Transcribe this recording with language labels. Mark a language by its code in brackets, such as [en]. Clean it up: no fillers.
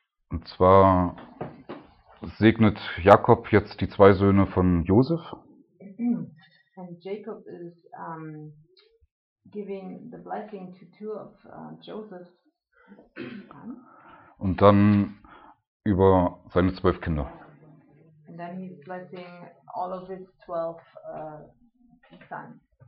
[de] Und zwar segnet Jakob jetzt die zwei Söhne von Josef. [en] And Jacob is giving the blessing to two of Joseph's sons. [de] Und dann über seine 12 Kinder. [en] And then he's blessing all of his 12 sons.